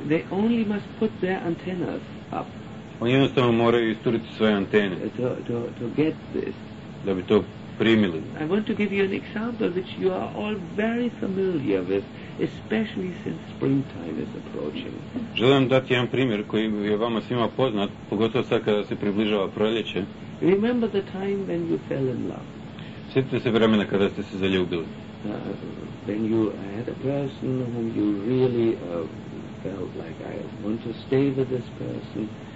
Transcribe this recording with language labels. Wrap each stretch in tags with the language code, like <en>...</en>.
<en>They only must put their antennas up.</en> <hr>Oni jednostavno moraju isturiti svoje antene</hr> <en>to get this.</en> <hr>Da bi to primili.</hr> <en>I want to give you an example which you are all very familiar with, especially since springtime is approaching.</en> <hr>Želim dati jedan primjer koji je vama svima poznat, pogotovo sad kada se približava proljeće.</hr> <en>Remember the time when you fell in love.</en> <hr>Sjetite se vremena kada ste se zaljubili.</hr> <en>When you had a person whom you really felt like, I want to stay with this person.</en>